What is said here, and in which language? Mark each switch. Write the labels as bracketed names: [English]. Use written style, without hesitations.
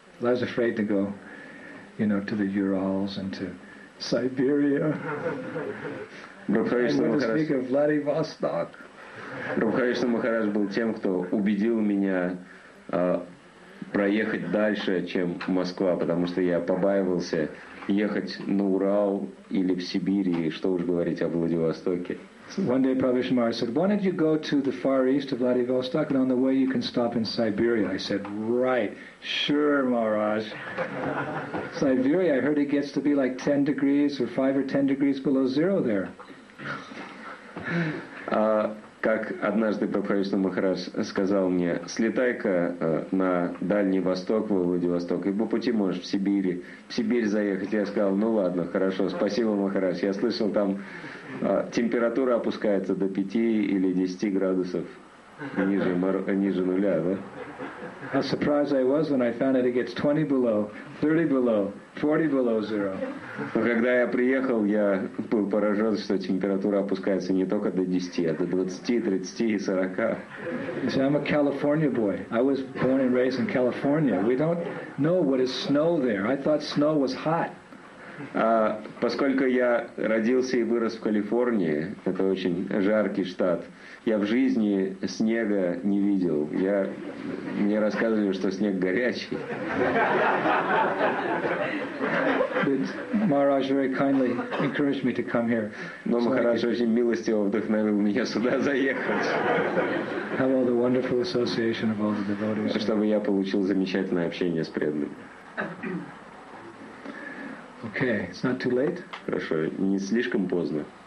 [English] I was afraid to go, you know, to the Urals and to Siberia. [Russian] Прохаришна [English] Махарадж. And to speak of Vladivostok. [Russian] Прохаришна Махарадж был тем, кто убедил меня проехать дальше, чем Москва, потому что я побаивался ехать на Урал или в Сибирь, и что уж говорить о Владивостоке. [English] One day Prabhupada Maharaj said, why don't you go to the far east of Vladivostok and on the way you can stop in Siberia? I said, right, sure, Maharaj. Siberia, I heard it gets to be like 10 degrees or 5 or 10 degrees below zero there. [Russian] Как однажды Прабхупада Махарадж сказал мне, слетай-ка на Дальний Восток, во Владивосток, и по пути можешь в Сибирь заехать. Я сказал, ну ладно, хорошо, спасибо, Махарадж. Я слышал, там температура опускается до 5 или 10 градусов ниже нуля, да? [English] How surprised I was when I found that it gets 20 below, 30 below, 40 below zero. [Russian] Но когда я приехал, я был поражен, что температура опускается не только до 10, а до 20, 30 и 40. [English] You see, I'm a California boy. I was born and raised in California. We don't know what is snow there. I thought snow was hot. [Russian] Поскольку я родился и вырос в Калифорнии, это очень жаркий штат, я в жизни снега не видел. Мне рассказывали, что снег горячий. [English] But Maharaj very kindly encouraged me to come here. [Russian] Но Махарадж очень милостиво вдохновил меня сюда заехать. [English] Have all the wonderful association of all the devotees. [Russian] Чтобы я получил замечательное общение с преданными. [English] Okay, it's not too late. [Russian] Хорошо, не слишком поздно.